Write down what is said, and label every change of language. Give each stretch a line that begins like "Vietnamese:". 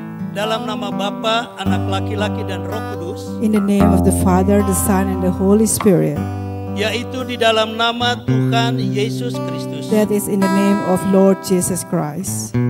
Indonesian: Dalam nama Bapa, Anak laki-laki dan Roh Kudus.
English: In the name of the Father, the Son, and the Holy Spirit.
Indonesian: Yaitu di dalam nama Tuhan Yesus Kristus.
English: That is in the name of Lord Jesus Christ.